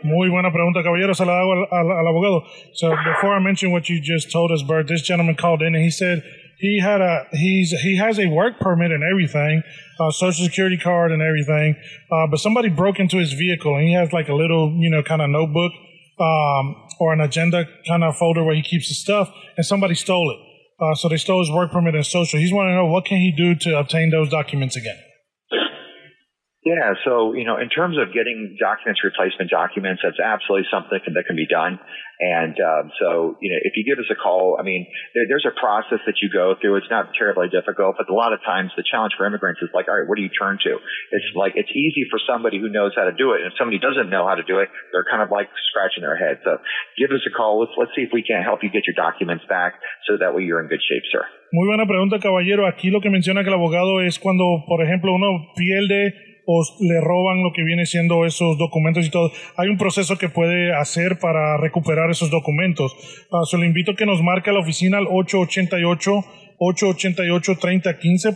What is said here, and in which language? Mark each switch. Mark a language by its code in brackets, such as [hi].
[es] Muy buena pregunta, caballero, se la hago al abogado. [en] So before I mention what you just told us, Bert, this gentleman called in and he said he has a work permit and everything, a social security card and everything, but somebody broke into his vehicle and he has like a little, you know, kind of notebook or an agenda kind of folder where he keeps his stuff, and somebody stole it. So they stole his work permit and social. He's wanting to know, what can he do to obtain those documents again? Yeah, so, you know, in terms of getting documents, replacement documents, that's absolutely something that can be done. And so, you know, if you give us a call, I mean, there's a process that you go through. It's not terribly difficult, but a lot of times the challenge for immigrants is like, all right, where do you turn to? It's like, it's easy for somebody who knows how to do it. And if somebody doesn't know how to do it, they're kind of like scratching their head. So give us a call. Let's see if we can help you get your documents back so that way you're in good shape, sir. [es] Muy buena pregunta, caballero. Aquí lo que menciona que el abogado es cuando, por ejemplo, uno pierde o le roban lo que viene siendo esos documentos y todo, hay un proceso que puede hacer para recuperar esos documentos. Se lo invito a que nos marque a la oficina al 888-888-3015.